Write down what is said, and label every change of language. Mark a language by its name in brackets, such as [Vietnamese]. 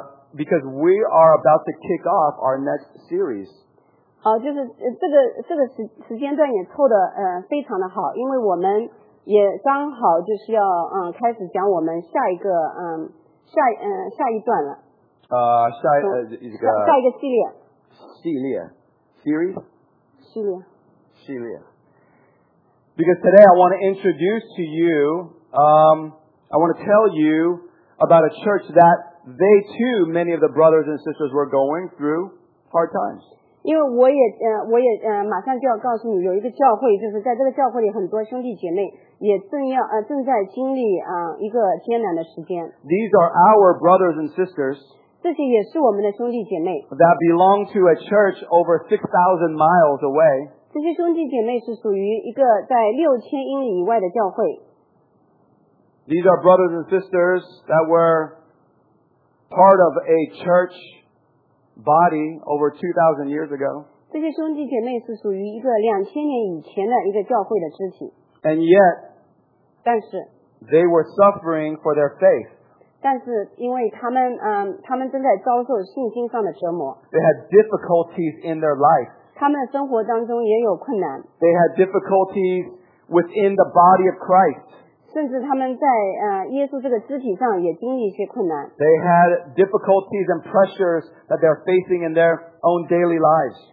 [English] Because we are about to kick off our next series. [Chinese] 就是这个时间段也凑的非常的好，因为我们也刚好就是要开始讲我们下一个下一段了。下一个系列。系列 ，series。系列。系列。 [English] Because today I want to introduce to you, I want to tell you about a church that they too, many of the brothers and sisters were going through hard times. [Chinese] 因为我也马上就要告诉你，有一个教会，就是在这个教会里，很多兄弟姐妹也正在经历一个艰难的时间。 [English] These are our brothers and sisters. [Chinese] 这些也是我们的兄弟姐妹。 [English] That belong to a church over 6,000 miles away. [Chinese] 这些兄弟姐妹是属于一个在6000英里以外的教会。 [English] These are brothers and sisters that were part of a church body over 2,000 years ago. [Chinese] 这些兄弟姐妹是属于一个2000年以前的一个教会的肢体。 [English] And yet, [Chinese] 但是 [English] they were suffering for their faith. [Chinese] 但是因为他们正在遭受信心上的折磨。 [English] They had difficulties in their life. [Chinese] 他们的生活当中也有困难。 [English] They had difficulties within the body of Christ. [Chinese] 甚至他们在耶稣这个肢体上也经历一些困难。 [English] They had difficulties and pressures that they're facing in their own daily lives.